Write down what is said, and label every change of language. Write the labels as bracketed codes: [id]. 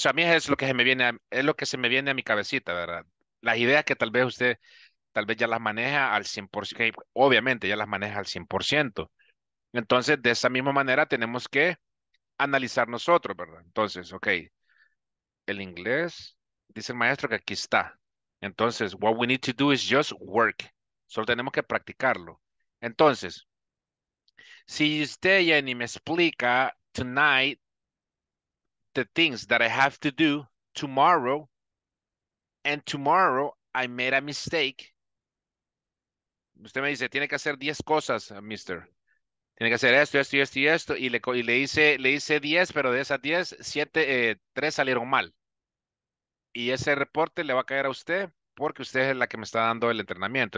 [es] Eso a mí es lo que se me viene a mi cabecita, ¿verdad? Las ideas que tal vez ya las maneja al 100%, obviamente ya las maneja al 100%. Entonces, de esa misma manera tenemos que analizar nosotros, ¿verdad? Entonces, ok, el inglés, dice el maestro que aquí está. Entonces, [en] what we need to do is just work. [es] Solo tenemos que practicarlo. Entonces, si usted, Jenny, me explica [en] tonight the things that I have to do tomorrow, and tomorrow I made a mistake. [es] Usted me dice, tiene que hacer 10 cosas, mister. Tiene que hacer esto, esto y esto y esto. Y le hice 10, pero de esas 10, 7, 3 salieron mal. Y ese reporte le va a caer a usted porque usted es la que me está dando el entrenamiento.